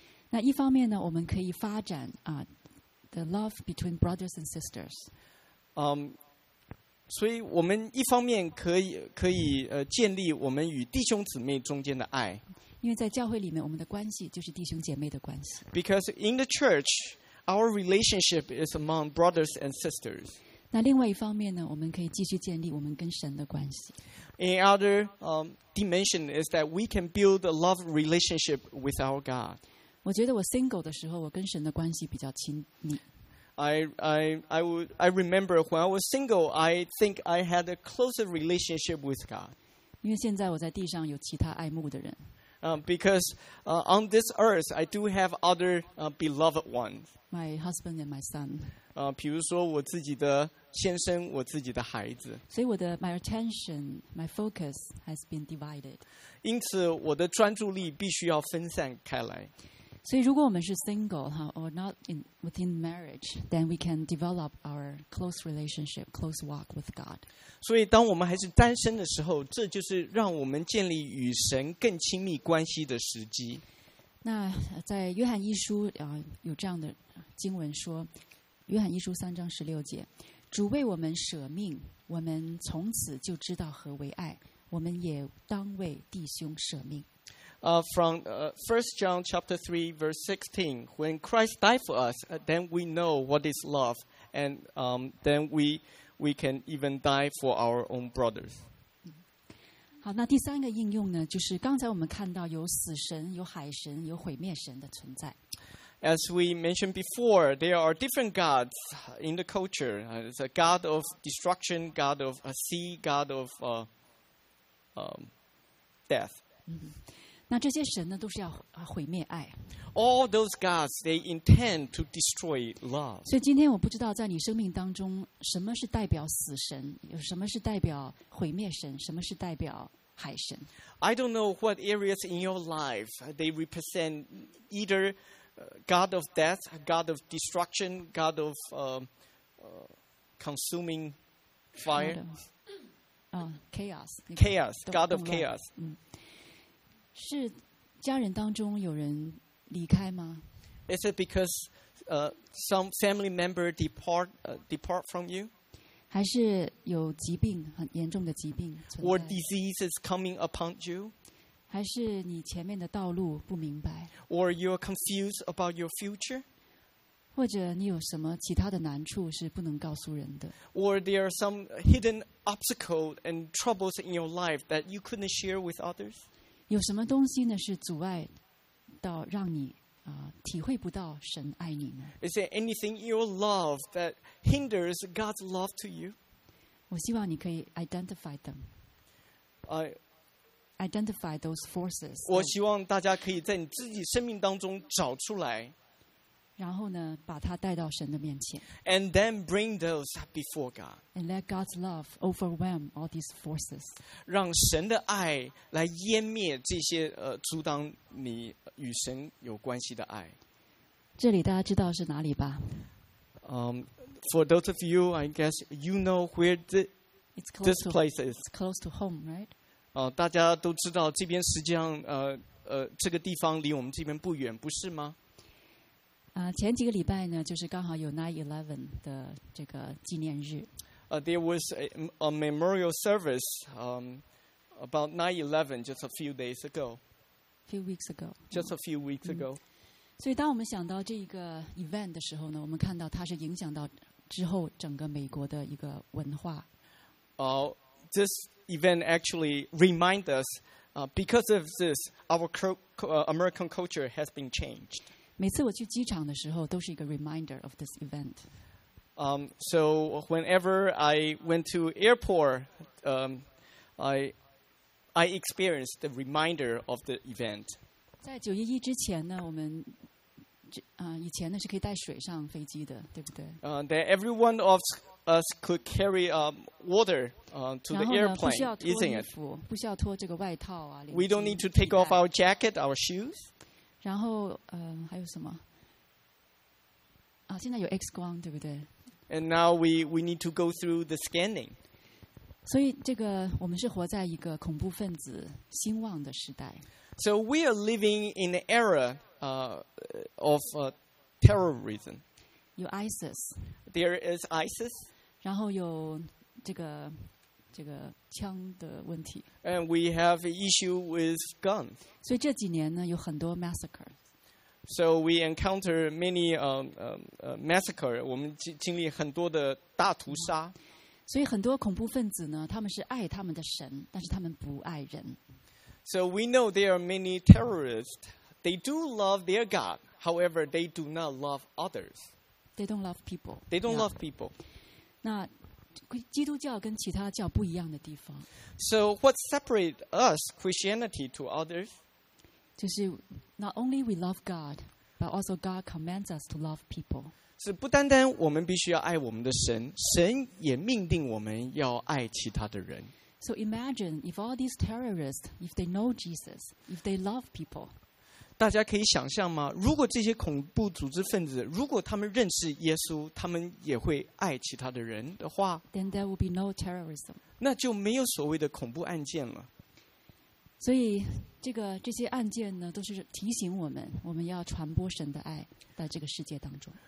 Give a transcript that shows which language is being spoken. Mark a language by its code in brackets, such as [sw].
[zh] 那一方面呢，我们可以发展 [en] the love between brothers and sisters。 [zh] 所以我们一方面可以建立我们与弟兄姊妹中间的爱。因为在教会里面，我们的关系就是弟兄姐妹的关系。 [en] Because in the church, our relationship is among brothers and sisters。 [zh] 那另外一方面呢，我们可以继续建立我们跟神的关系。 [en] In other dimension is that we can build a love relationship with our God. [zh] 我觉得我 single 的时候，我跟神的关系比较亲密。 [en] I remember when I was single, I think I had a closer relationship with God. [zh] 因为现在我在地上有其他爱慕的人。 [en] because on this earth, I do have other beloved ones. My husband and my son. [zh] 比如说我自己的先生，我自己的孩子。所以我的 [en] my attention, my focus has been divided. [zh] 因此我的专注力必须要分散开来。所以如果我们是 [en] single, huh, or not in, within marriage, then we can develop our close relationship, close walk with God. [zh] 所以当我们还是单身的时候，这就是让我们建立与神更亲密关系的时机。那在约翰一书有这样的经文说，约翰一书三章十六节，主为我们舍命，我们从此就知道何为爱，我们也当为弟兄舍命。 [en] From 1 John chapter 3 verse 16, when Christ died for us, then we know what is love, and then we can even die for our own brothers. [zh] 好，那第三个应用呢，就是刚才我们看到有死神、有海神、有毁灭神的存在。 [en] As we mentioned before, there are different gods in the culture. It's a god of destruction, god of a sea, god of death. [zh] 那这些神呢，都是要毁灭爱。 [en] All those gods, they intend to destroy love. [zh] 所以今天我不知道在你生命当中，什么是代表死神，什么是代表毁灭神，什么是代表海神。 [en] I don't know what areas in your life they represent either God of death, God of destruction, God of consuming fire. Chaos. Chaos, God of chaos. [zh] 是家人当中有人离开吗？ [en] Is it because some family member depart from you? [zh] 还是有疾病，很严重的疾病存在？ [en] Or disease is coming upon you? [zh] 还是你前面的道路不明白？ [en] Or you're confused about your future? [zh] 或者你有什么其他的难处是不能告诉人的？ [en] Or there are some hidden obstacles and troubles in your life that you couldn't share with others? [zh] 有什么东西呢是阻碍到让你体会不到神爱你呢？ [en] Is there anything in your love that hinders God's love to you? [zh] 我希望你可以 [en] identify them. Identify those forces. [zh] 我希望大家可以在你自己生命当中找出来，然后呢把它带到神的面前。 [en] And then bring those before God. And let God's love overwhelm all these forces. [zh] 让神的爱来湮灭这些阻挡你与神有关系的爱。这里大家知道是哪里吧？ [en] For those of you, I guess you know where this place is. It's close to home, right? [zh] 大家都知道这边实际上这个地方离我们这边不远，不是吗？前几个礼拜呢，就是刚好有 9/11 的这个纪念日。 [en] There was a memorial service about 9/11 just a few days ago. Few weeks ago. Just a few weeks ago.、嗯、 [zh] 所以，当我们想到这个 event 的时候呢，我们看到它是影响到之后整个美国的一个文化。 [en] This event actually reminds us, because of this, our American culture has been changed. [zh] 每次我去机场的时候，都是一个 [en] reminder of this event. So whenever I went to airport, I experienced the reminder of the event. [zh] 在911之前呢，我们以前呢是可以带水上飞机的，对不对？ [en] That every one of us could carry water to the airplane. [zh] 然后呢，不需要脱衣服，不需要脱这个外套啊。 [en] We don't need to take off our jacket, our shoes. [zh] 然后还有什么？现在有 X 光，对不对 [en] ？And now we need to go through the scanning. [zh] 所以这个我们是活在一个恐怖分子兴旺的时代。 [en] So we are living in an era of terrorism. [zh] 有 ISIS. [en] There is ISIS. [zh] 然后有这个枪的问题。 [en] And we have an issue with guns. [zh] 所以这几年呢，有很多 massacre. [en] So we encounter many massacre. [zh] 我们经历很多的大屠杀。所以很多恐怖分子呢，他们是爱他们的神，但是他们不爱人。 [en] So we know there are many terrorists. They do love their God. However, they do not love others. They don't love people. They don't love people. [zh] 那基督教跟其他教不一样的地方。 [en] So what separates us Christianity to others? [zh] 就是 [en] not only we love God, but also God commands us to love people. [zh] 是不单单我们必须要爱我们的神，神也命定我们要爱其他的人。 [en] So imagine if all these terrorists, if they know Jesus, if they love people. [zh] 大家可以想象吗？如果这些恐怖组织分子，如果他们认识耶稣，他们也会爱其他的人的话， [en] then there will be no terrorism. [zh] 那就没有所谓的恐怖案件了。所以这些案件呢，都是提醒我们，我们要传播神的爱在这个世界当中。